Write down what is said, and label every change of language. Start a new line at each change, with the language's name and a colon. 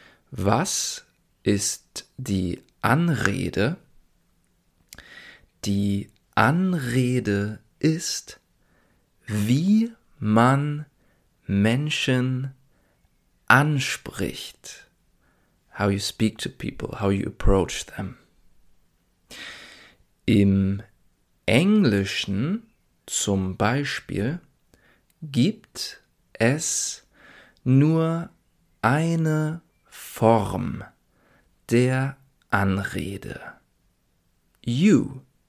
German: Was ist die Anrede? Die Anrede ist, wie man Menschen anspricht.
English: How you speak to people, how you approach them.
German: Im Englischen zum Beispiel gibt es nur eine Form der Anrede. You.